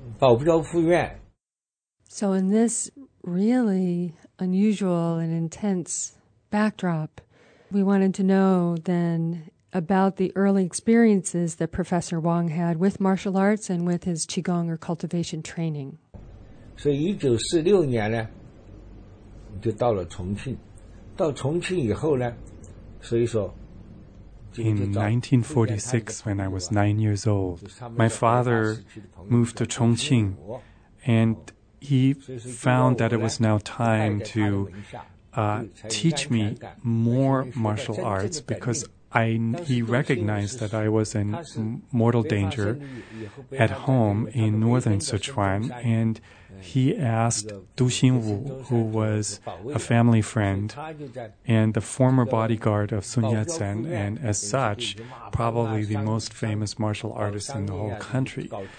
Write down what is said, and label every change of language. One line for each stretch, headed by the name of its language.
English: So in this really unusual and intense backdrop, we wanted to know then about the early experiences that Professor Wang had with martial arts and with his Qigong or cultivation training.
Chinese: So 1946年呢, 就到了重庆, 到重庆以后呢, 所以说,
English: in 1946, when I was 9 years old, my father moved to Chongqing, and he found that it was now time to teach me more martial arts because he recognized that I was in mortal danger at home in northern Sichuan, and he asked Du Xinwu, who was a family friend and the former bodyguard of Sun Yat-sen, and as such, probably the most famous martial artist in the whole country.